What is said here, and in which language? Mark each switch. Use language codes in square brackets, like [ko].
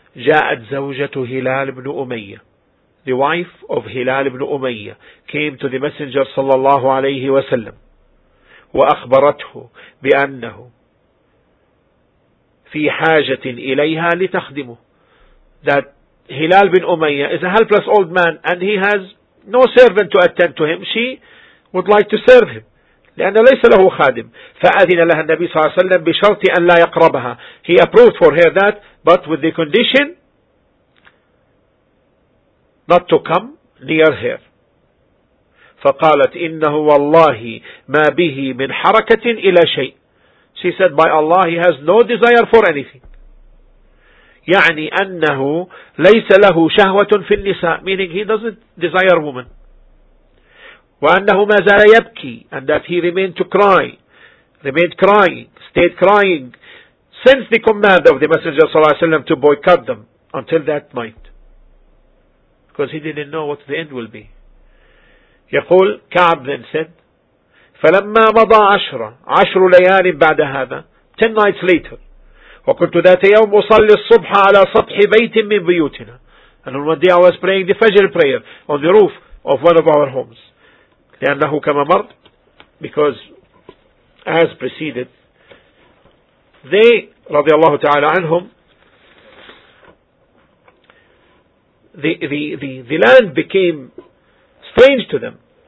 [ar] جَاءَتْ زَوْجَةُ هِلَالِ بْنُ أُمَيَّةِ. [en] The wife of Hilal ibn Umayyah came to the messenger [ar] صلى الله عليه وسلم, وأخبرته بأنه في حاجة إليها لتخدمه. [en] That Hilal bin Umayyah is a helpless old man and he has no servant to attend to him. She would like to serve him, [ar] لأن ليس له خادم. فأذن لها النبي صلى الله عليه وسلم بشرط أن لا يقربها. [en] He approved for her that, but with the condition not to come near her. [ar] فقالت إنه والله ما به من حركة إلى شيء. [en] She said, by Allah, he has no desire for anything. [ar] يعني أنه ليس له شهوة في النساء, [en] meaning he doesn't desire women. [ar] وأنه ما زال يبكي, [en] and that he remained crying since the command of the Messenger صلى الله عليه وسلم to boycott them until that night, because he didn't know what the end will be. [ar] يقول كعب [en] then said, [ar] فلما مضى عشر ليال بعد هذا, [en] 10 nights later, [ar] وكنت ذات يوم أصلي الصبح على سطح بيت من بيوتنا. [en] And on one day I was praying the Fajr prayer on the roof of one of our homes. [ar] لأنه كما مر, [en] because as preceded, they رضي الله تعالى عنهم, the land became strange to them.